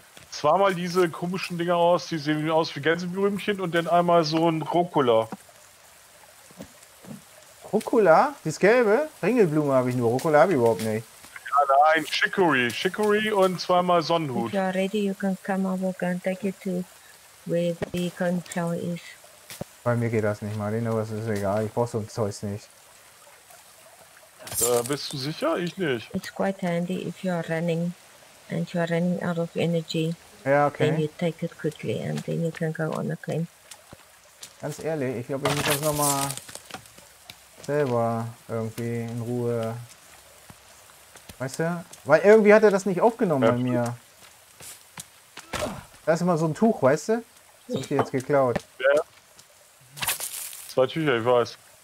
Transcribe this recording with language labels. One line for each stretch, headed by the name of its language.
German: Zweimal diese komischen Dinger aus, die sehen aus wie Gänseblümchen und dann einmal so ein Rucola. Rucola? Das gelbe? Ringelblume habe ich nur, Rucola habe ich überhaupt nicht. Ja, nein, Chicory. Chicory und zweimal Sonnenhut.
English: If you are ready, you can come over and take it to where the cornflower is.
German: Bei mir geht das nicht, Marlene, aber es ist egal, ich brauche so ein Zeug nicht. Bist du sicher? Ich nicht.
English: It's quite handy if you are running. And you are running out of energy.
German: Ja, okay.
English: Then you take it quickly and then you can go on again.
German: Ganz ehrlich, ich glaube, ich muss das nochmal selber irgendwie in Ruhe. Weißt du? Weil irgendwie hat er das nicht aufgenommen bei mir. Da ist immer so ein Tuch, weißt du? Das hab ich dir jetzt geklaut. Ja. Zwei Tücher, ich weiß.